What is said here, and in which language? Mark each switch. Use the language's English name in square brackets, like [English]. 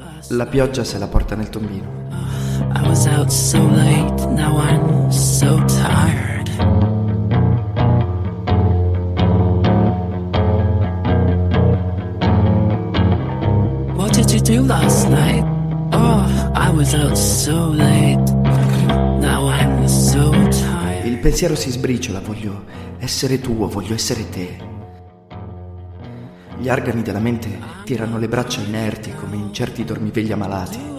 [Italian] La pioggia se la porta nel tombino. [English] I was out so late, now I'm so tired. What did you do last night? Oh, I was out so late, now I'm so tired. [Italian] Il pensiero si sbriciola, voglio essere tuo, voglio essere te. Gli argani della mente tirano le braccia inerti come in certi dormivegli ammalati.